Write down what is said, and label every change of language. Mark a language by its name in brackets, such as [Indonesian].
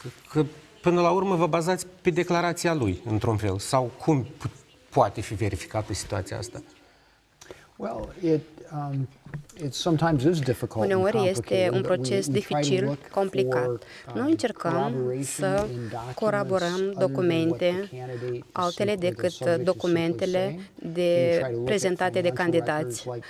[Romanian] Că până la urmă vă bazați pe declarația lui, într-un fel. Sau cum poate fi verificată situația asta? [English] Well, it sometimes is difficult. [Romanian] Uneori este un proces dificil, complicat. Noi încercăm să colaborăm documente altele decât documentele de prezentate de candidați.